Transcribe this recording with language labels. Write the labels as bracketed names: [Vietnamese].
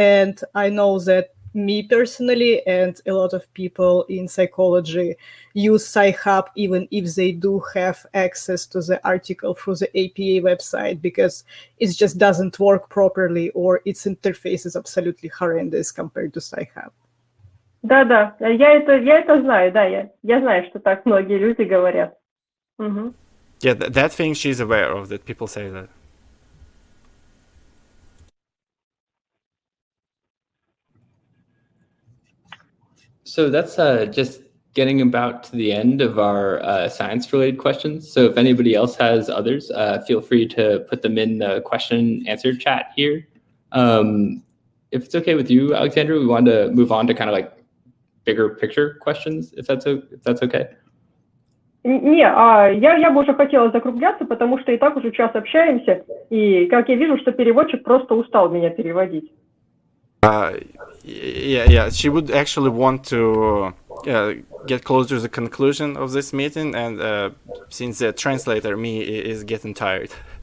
[English] And I know that me personally and a lot of people in psychology use Sci-Hub even if they do have access to the article through the APA website, because it just doesn't work properly or its interface is absolutely horrendous compared to Sci-Hub. [Russian] Да-да, я это знаю, да, я знаю, что так многие люди говорят. Угу. [English] Yeah, that thing she's aware of, that people say that. So that's just getting about to the end of our science-related questions. So if anybody else has others, feel free to put them in the question-answer chat here. If it's okay with you, Alexandra, we wanted to move on to kind of like bigger picture questions, if that's okay. [Russian] Не, а я бы уже хотела закругляться, потому что и так уже час общаемся, и как я вижу, что переводчик просто устал меня переводить. [English] Yeah. She would actually want to get closer to the conclusion of this meeting, and since the translator me is getting tired.